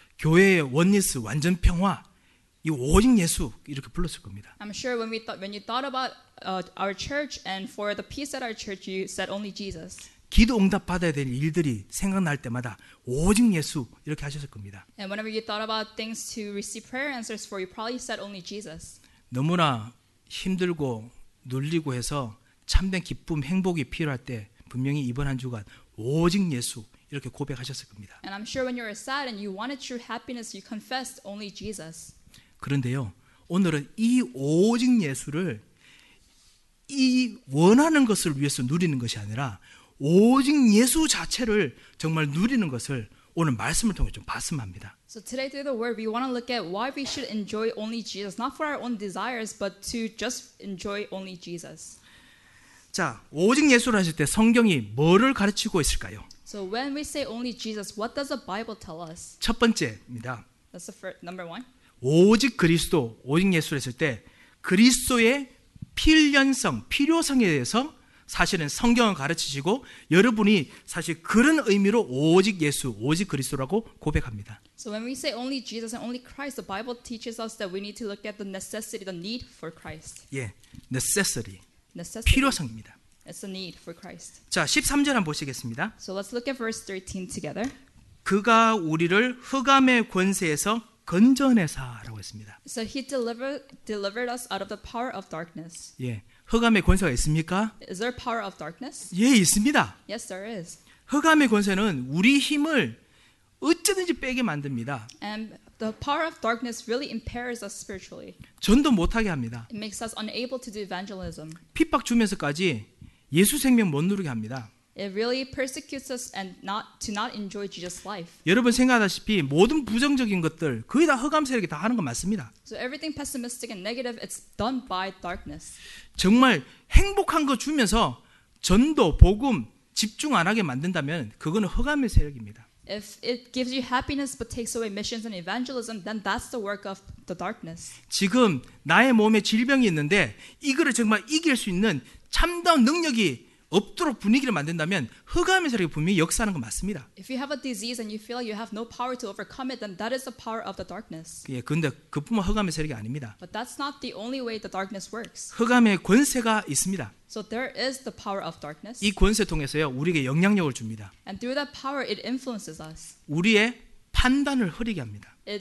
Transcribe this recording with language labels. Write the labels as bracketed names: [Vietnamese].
[Korean] 교회의 oneness, 완전 평화, 이 오직 예수 이렇게 불렀을 겁니다. [English] I'm sure when you thought about our church and for the peace at our church, you said only Jesus. [Korean] 기도 응답 받아야 될 일들이 생각날 때마다 오직 예수 이렇게 하셨을 겁니다. [English] And whenever you thought about things to receive prayer answers for, you probably said only Jesus. [Korean] 너무나 힘들고 눌리고 해서 참된 기쁨, 행복이 필요할 때 분명히 이번 한 주간 오직 예수 이렇게 고백하셨을 겁니다. [English] And I'm sure when you were sad and you wanted true happiness, you confessed only Jesus. [Korean] 그런데요, 오늘은 이 오직 예수를 이 원하는 것을 위해서 누리는 것이 아니라 오직 예수 자체를 정말 누리는 것을 오늘 말씀을 통해 좀 봤으면 합니다. [English] So today through the word we want to look at why we should enjoy only Jesus, not for our own desires but to just enjoy only Jesus. [Korean] 자, 오직 예수를 하실 때 성경이 뭐를 가르치고 있을까요? [English] So when we say only Jesus, what does the Bible tell us? [Korean] 첫 번째입니다. [English] That's the first, number one. [Korean] 오직 그리스도, 오직 예수를 했을 때 그리스도의 필연성, 필요성에 대해서 사실은 성경을 가르치시고 여러분이 사실 그런 의미로 오직 예수, 오직 그리스도라고 고백합니다. [English] So when we say only Jesus and only Christ, the Bible teaches us that we need to look at the necessity, the need for Christ. [Korean] 예, necessity. necessity. 필요성입니다. [English] It's a need for Christ. [Korean] 자, 13절 한번 보시겠습니다. [English] So let's look at verse 13 together. [Korean] 그가 우리를 흑암의 권세에서 건져내사라고 했습니다. [English] So he delivered us out of the power of darkness. [Korean] 예. 흑암의 권세가 있습니까? [English] Is there power of darkness? [Korean] 예, 있습니다. [English] Yes, there is. [Korean] 흑암의 권세는 우리 힘을 어쩌든지 빼게 만듭니다. [English] And the power of darkness really impairs us spiritually. [Korean] 전도 못하게 합니다. [English] It makes us unable to do evangelism. [Korean] 핍박 주면서까지 예수 생명 못 누르게 합니다. [English] It really persecutes us and not to not enjoy Jesus' life. [Korean] 여러분 생각하다시피 모든 부정적인 것들 거의 다 흑암 세력이 다 하는 건 맞습니다. [English] So everything pessimistic and negative it's done by darkness. [Korean] 정말 행복한 거 주면서 전도 복음 집중 안 하게 만든다면 그거는 흑암의 세력입니다. [English] If it gives you happiness but takes away missions and evangelism, then that's the work of the darkness. [Korean] 지금 나의 몸에 질병이 있는데 이거를 정말 이길 수 있는 참다운 능력이 없도록 분위기를 만든다면 흑암의 세력이 분명히 역사하는 건 맞습니다. [English] If you have a disease and you feel like you have no power to overcome it, then that is the power of the darkness. [Korean] 예, 근데 그뿐만 흑암의 세력이 아닙니다. [English] But that's not the only way the darkness works. [Korean] 흑암의 권세가 있습니다. [English] So there is the power of darkness. [Korean] 이 권세 통해서요 우리에게 영향력을 줍니다. [English] And through that power, it influences us. [Korean] 우리의 판단을 흐리게 합니다.